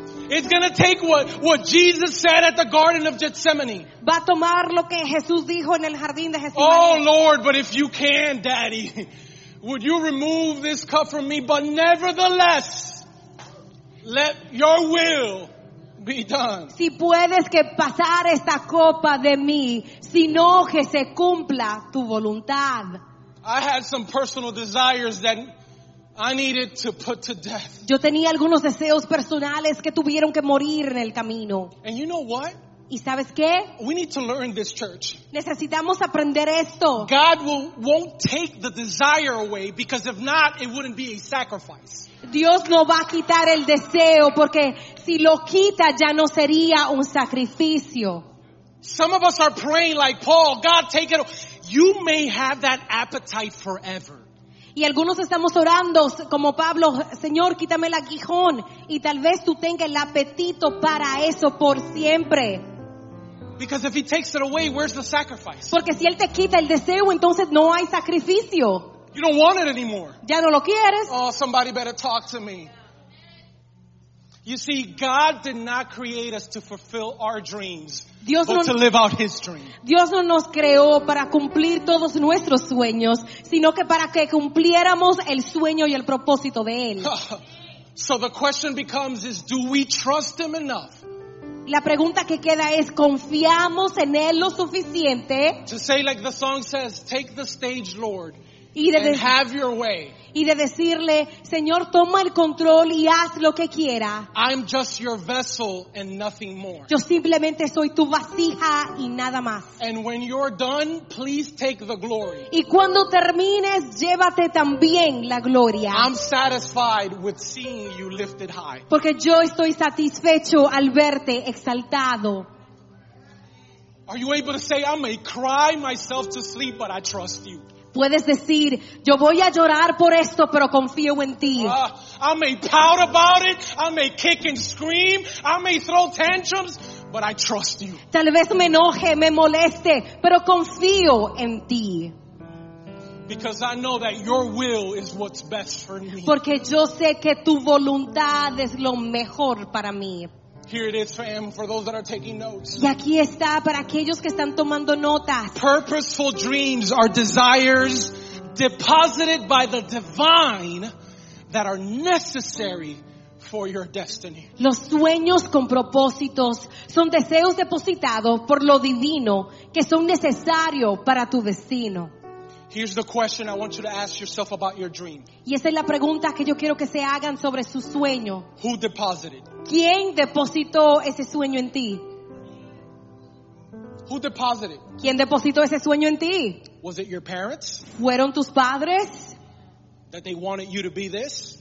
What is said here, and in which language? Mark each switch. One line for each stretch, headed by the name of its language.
English: It's gonna take what Jesus said at the Garden of Gethsemane.
Spanish: Va a tomar lo que Jesús dijo en el jardín de Gethsemane.
English: Oh Lord, but if you can, Daddy, would you remove this cup from me? But nevertheless, let your will be done.
Spanish: Si puedes que pasar esta copa de mí, sino que se cumpla tu voluntad.
English: I had some personal desires that I needed to put to death.
Spanish: Yo tenía algunos deseos personales que tuvieron que morir en el camino.
English: And you know what?
Spanish: ¿Y sabes qué?
English: We need to learn this, church.
Spanish: Necesitamos aprender esto.
English: God won't take the desire away, because if not, it wouldn't be a sacrifice.
Spanish: Dios no va a quitar el deseo, porque si lo quita ya no sería un sacrificio.
English: Some of us are praying like Paul, God take it away. You may have that appetite forever.
Spanish: Y algunos estamos orando como Pablo, Señor, quítame el aguijón, y tal vez tú tengas el apetito para eso por siempre.
English: Because if he takes it away, where's the sacrifice?
Spanish: Porque si él te quita el deseo, entonces no hay sacrificio.
English: You don't want it anymore.
Spanish: Ya no lo quieres.
English: Oh, somebody better talk to me. You see, God did not create us to fulfill our dreams,
Spanish: Dios
English: but
Spanish: no,
English: to live out His dream.
Spanish: Dios no nos creó para cumplir todos nuestros sueños, sino que para que cumpliéramos el sueño y el propósito de Él.
English: So the question becomes, is do we trust Him enough
Spanish: La pregunta que queda es, ¿confiamos en Él lo suficiente?
English: To say like the song says, take the stage, Lord, and have your way.
Spanish: Y de decirle, Señor, toma el control y haz lo que quiera.
English: I'm just your vessel and nothing more.
Spanish: Yo simplemente soy tu vasija y nada más.
English: And when you're done, please take the glory.
Spanish: Y cuando termines, llévate también la gloria.
English: I'm satisfied with seeing you lifted high.
Spanish: Porque yo estoy satisfecho al verte exaltado.
English: Are you able to say, I may cry myself to sleep, but I trust you?
Spanish: Puedes decir, yo voy a llorar por esto, pero confío en ti.
English: I may pout about it, I may kick and scream, I may throw tantrums, but I trust you.
Spanish: Tal vez me enoje, me moleste, pero confío en ti.
English: Because I know that your will is what's best for me.
Spanish: Porque yo sé que tu voluntad es lo mejor para mí.
English: Here it is, fam, for those that are taking notes.
Spanish: Y aquí está para aquellos que están tomando notas.
English: Purposeful dreams are desires deposited by the divine that are necessary for your destiny.
Spanish: Los sueños con propósitos son deseos depositados por lo divino que son necesarios para tu destino.
English: Here's the question I want you to ask yourself about your dream.
Spanish: Y esa es la pregunta que yo quiero que se hagan sobre su sueño.
English: Who deposited?
Spanish: ¿Quién depositó ese sueño en ti?
English: Who deposited?
Spanish: ¿Quién depositó ese sueño en ti?
English: Was it your parents?
Spanish: ¿Fueron tus padres?
English: That they wanted you to be this?